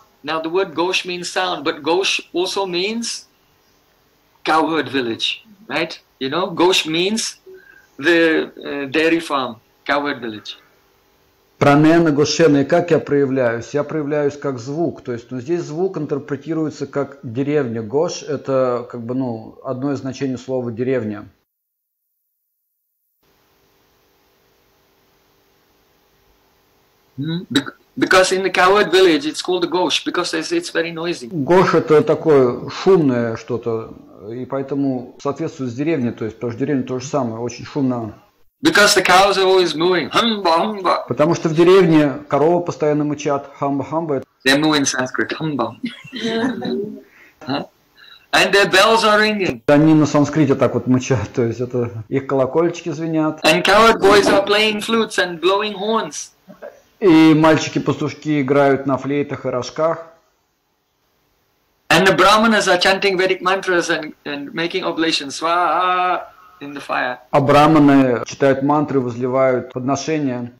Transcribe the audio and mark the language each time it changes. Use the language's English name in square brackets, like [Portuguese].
[English] Now the word gosh means sound, but gosh also means cowherd village, right? You know, gosh means the dairy farm, cowherd village. [Sanskrit] Pranena goshena, [Russian] и как я проявляюсь? Я проявляюсь как звук, то есть, ну, здесь звук интерпретируется как деревня. Gosh – это как бы, ну, одно из значений слова деревня. [English] Because in the cowherd village it's called a gosh, because it's very noisy. [Russian] Gosh – это такое шумное что-то, и поэтому соответствует с деревней, то есть, потому что деревня то же самое, очень шумно. [English] Because the cows are always mooing. Humba, humba. [Russian] Потому что в деревне коровы постоянно мычат. Humba, humba. [English] They're mooing in Sanskrit. Humba. And their bells are ringing. [Russian] Они на санскрите так вот мычат, то есть это их колокольчики звенят. [English] And cowherd boys are playing flutes and blowing horns. [Russian] И мальчики-пастушки играют на флейтах и рожках. [English] And the brahmanas are chanting Vedic mantras and making oblations. Swaha in the fire. [Russian] А брахманы читают мантры, возливают подношения.